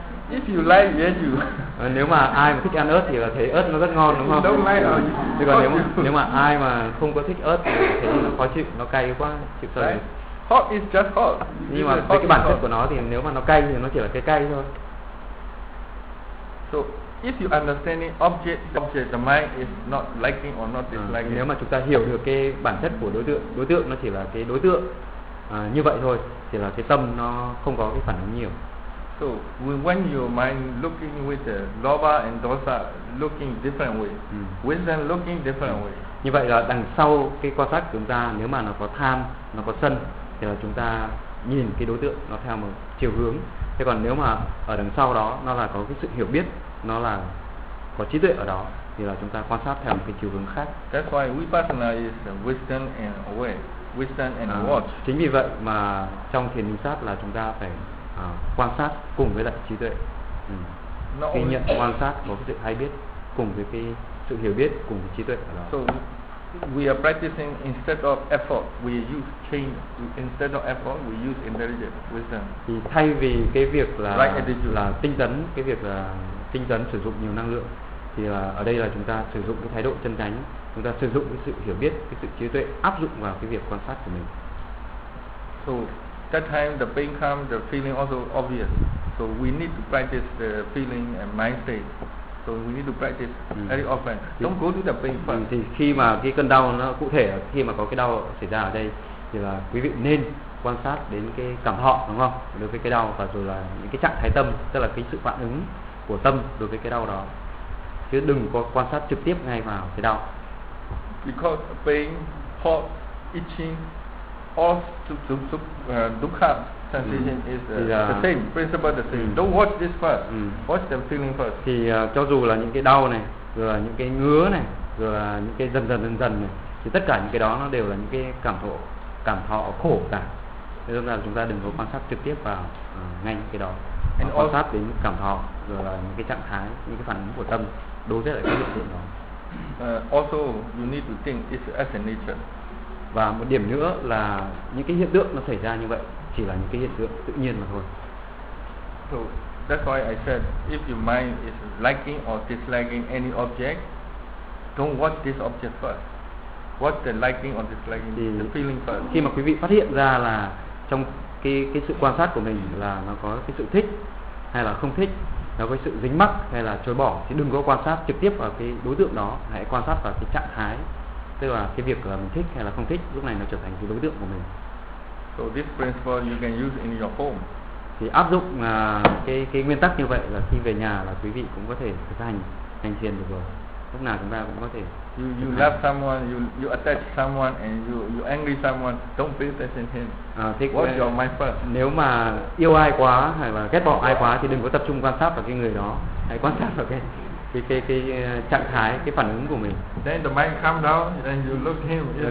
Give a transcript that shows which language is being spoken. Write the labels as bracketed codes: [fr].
[en] If you like, [vi] dễ chịu. Nếu mà ai mà thích ăn ớt thì là thấy ớt nó rất ngon đúng không? Đúng rồi. Thì còn nếu mà ai mà không có thích ớt thì thấy nó khó chịu, nó cay quá, chịu sợ. [en] Hot is just hot. [vi] Nhưng mà với cái bản chất của nó thì nếu mà nó cay thì nó chỉ là cái cay thôi. [en] So if you understand the object, the mind is not liking or not disliking. [vi] Nếu mà chúng ta hiểu được cái bản chất của đối tượng nó chỉ là cái đối tượng như vậy thôi, chỉ là cái tâm nó không có cái phản ứng nhiều. [en] So when your mind looking with the lobha and dosa looking different way, wisdom looking different way. [vi] Như vậy là đằng sau cái quan sát của chúng ta, nếu mà nó có tham, nó có sân, thì là chúng ta nhìn cái đối tượng nó theo một chiều hướng. Thế còn nếu mà ở đằng sau đó nó là có cái sự hiểu biết, nó là có trí tuệ ở đó, thì là chúng ta quan sát theo một cái chiều hướng khác. [en] That's why vipassana is wisdom and aware, wisdom and watch. [vi] Chính vì vậy mà trong thiền hình sát là chúng ta phải quan sát cùng với lại trí tuệ. Kinh nghiệm quan sát có cái sự hay biết cùng với cái sự hiểu biết cùng với trí tuệ ở đó. [en] So we are practicing instead of effort, we use change. Instead of effort, we use intelligence, wisdom. [vi] Thì thay vì cái việc là [en] right [vi] là tinh tấn, cái việc là tinh tấn sử dụng nhiều năng lượng, thì là ở đây là chúng ta sử dụng cái thái độ chân chánh, chúng ta sử dụng cái sự hiểu biết, cái sự trí tuệ áp dụng vào cái việc quan sát của mình. [en] So that time the pain comes, the feeling also obvious. So we need to practice the feeling and mind state. So we need to practice very often. Don't go to the pain first. [vi] Thì khi mà cái cơn đau nó cụ thể, khi mà có cái đau xảy ra ở đây, thì là quý vị nên quan sát đến cái cảm thọ đúng không? Đối với cái đau và rồi là những cái trạng thái tâm, tức là cái sự phản ứng của tâm đối với cái đau đó. Chứ đừng có quan sát trực tiếp ngay vào cái đau. [en] Because pain, hot, itching, all dukkha sensation is the same, principle the same. Don't watch this first. Watch the feeling first. [vi] Thì cho dù là những cái đau này, rồi là những cái ngứa này, rồi là những cái dần dần này, thì tất cả những cái đó nó đều là những cái cảm thọ khổ cả. Nên là chúng ta đừng có quan sát trực tiếp vào ngay những cái đó. Quan sát đến cảm thọ, rồi là những cái trạng thái, những cái phản ứng của tâm đối với lại cái hiện tượng đó. [en] Also, you need to think it's as a nature. [vi] Và một điểm nữa là những cái hiện tượng nó xảy ra như vậy chỉ là những cái hiện tượng tự nhiên mà thôi. [en] So, that's why I said, if your mind is liking or disliking any object, don't watch this object first. What's the liking or disliking, the feeling first. [vi] Khi mà quý vị phát hiện ra là trong cái sự quan sát của mình là nó có cái sự thích hay là không thích, nó có sự dính mắc hay là chối bỏ, thì đừng có quan sát trực tiếp vào cái đối tượng đó, hãy quan sát vào cái trạng thái, tức là cái việc là mình thích hay là không thích, lúc này nó trở thành cái đối tượng của mình. [en] So this principle you can use in your home. [vi] Thì áp dụng cái nguyên tắc như vậy là khi về nhà là quý vị cũng có thể thực hành thiền được rồi. Lúc nào chúng ta cũng có thể. [en] You love someone, you attach someone, and you angry someone. Don't pay attention to him. Watch your mind first. [vi] Nếu mà yêu ai quá hay là ghét bỏ ai quá thì đừng có tập trung quan sát vào cái người đó. Hãy quan sát vào cái trạng thái, cái phản ứng của mình. [en] Then the mind calm down and you look him.